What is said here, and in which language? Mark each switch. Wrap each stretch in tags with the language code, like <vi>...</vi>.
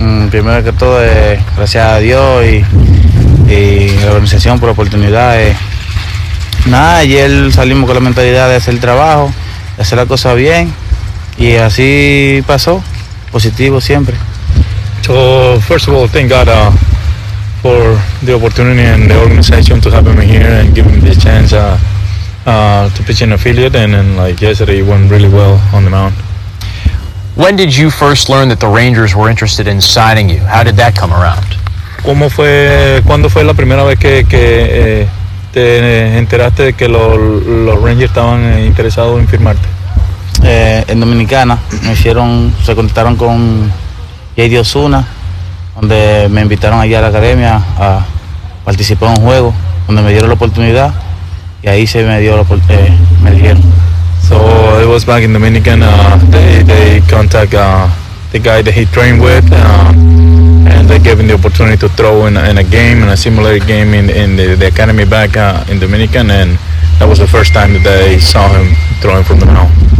<es>Primero que todo, gracias a Dios y la organización por la oportunidad. Nada, ayer salimos con la mentalidad de hacer el trabajo, de hacer la cosa bien, y así pasó, positivo siempre.</es> <en>So, first of all, thank God for the opportunity and the organization to have me here and give me this chance to pitch in affiliate, and like yesterday went really well on the mound. When did you first learn that the Rangers were interested in signing you? How did that come around?</en> <es>¿Cómo fue, cuándo fue la primera vez que te enteraste de que los Rangers estaban interesados en firmarte? En Dominicana, se contactaron con J.D. Osuna, donde me invitaron allá a la academia a participar en un juego, donde me dieron la oportunidad, y ahí se me dio la oportunidad, me dijeron.</es> <en>So it was back in Dominican, they contact the guy that he trained with, and they gave him the opportunity to throw in a game, in a simulated game in the academy back in Dominican, and that was the first time that they saw him throwing from the mound.</en>